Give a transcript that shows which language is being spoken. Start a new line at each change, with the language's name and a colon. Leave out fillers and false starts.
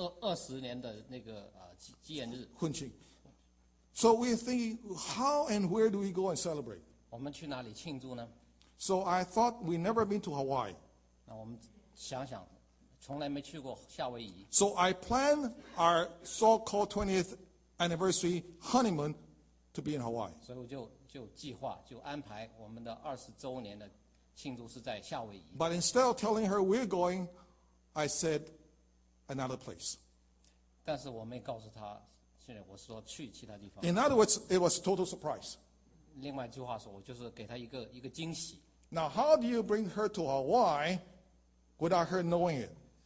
Chinese: 我们有二十年的纪念日。
English: So we're thinking, how and where do we go and celebrate?
Chinese: 我们去哪里庆祝呢?
English: So I thought we'd never been to Hawaii.
Chinese: 那我们想想，从来没去过夏威夷。
English: So I planned our so-called 20th anniversary honeymoon to be in Hawaii.
Chinese: 所以我就计划，就安排我们的二十周年的庆祝是在夏威夷。
English: But instead of telling her we're going, I said another place.
Chinese: 但是我没告诉她，现在我说去其他地方。
English: In other words, it was total surprise.
Chinese: 另外一句话说，我就是给她一个惊喜。
English: Now, how do you bring her to Hawaii without her knowing it?